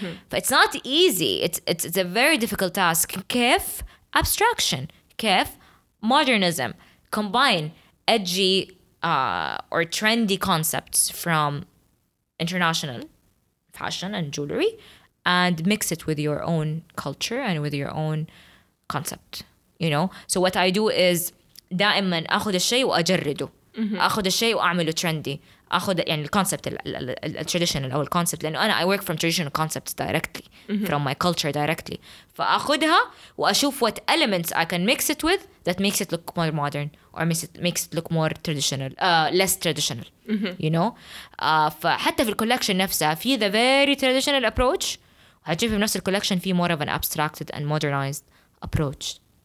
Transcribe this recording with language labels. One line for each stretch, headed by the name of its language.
English: But it's not easy. It's a very difficult task. كيف abstraction, كيف modernism, combine edgy or trendy concepts from international fashion and jewelry and mix it with your own culture and with your own concept, you know? So what I do is
Arabic: دائما أخذ الشيء وأجرده. أخذ الشيء وأعمله trendy. أخذ يعني الكونسبت الترديشنال أو الكونسبت, لأنه أنا
English: I work from traditional concepts directly, from my culture directly.
Arabic: فأخذها وأشوف
English: what elements I can mix it with that makes it look more modern or makes it look more traditional, less traditional, you know.
Arabic: فحتى في الكولكشن نفسها في
English: the very traditional approach,
Arabic: هتشوف بنفس الكولكشن في
English: more of an abstracted and modernized approach.